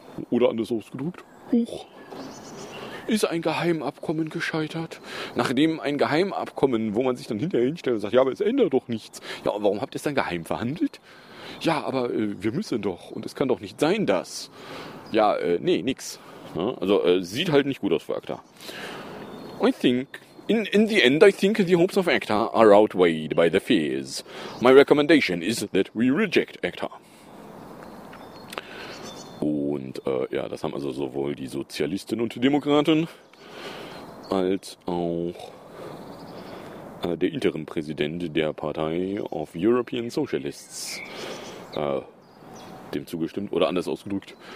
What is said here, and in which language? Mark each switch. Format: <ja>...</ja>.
<de>Oder anders ausgedrückt, huch, ist ein Geheimabkommen gescheitert? Nachdem ein Geheimabkommen, wo man sich dann hinterher hinstellt und sagt, ja, aber es ändert doch nichts. Ja, und warum habt ihr es dann geheim verhandelt? Ja, aber wir müssen doch und es kann doch nicht sein, dass... Ja, nee, nix. Ja, also, sieht halt nicht gut aus für ACTA.</de> <en>I think, in the end, I think the hopes of ACTA are outweighed by the fears. My recommendation is that we reject ACTA.</en> <de>Und, das haben also sowohl die Sozialisten und Demokraten als auch der Interimpräsident der Partei of European Socialists dem zugestimmt oder anders ausgedrückt.</de>